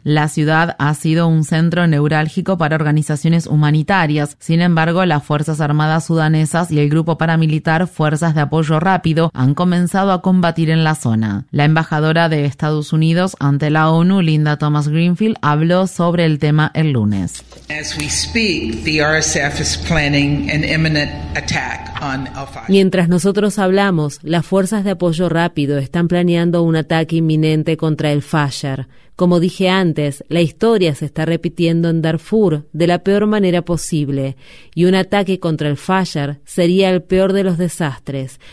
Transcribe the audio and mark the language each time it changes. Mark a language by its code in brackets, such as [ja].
[es] La ciudad ha sido un centro neurálgico para organizaciones humanitarias. Sin embargo, las Fuerzas Armadas Sudanesas y el grupo paramilitar Fuerzas de Apoyo Rápido han comenzado a combatir en la zona. La embajadora de Estados Unidos ante la ONU, Linda Thomas-Greenfield, habló sobre el tema el lunes. [en] As we speak, the RSF is planning an imminent attack. [es] Mientras nosotros hablamos, las fuerzas de apoyo rápido están planeando un ataque inminente contra el Fasher. Como dije antes, la historia se está repitiendo en Darfur de la peor manera posible, y un ataque contra el Fasher sería el peor de los desastres.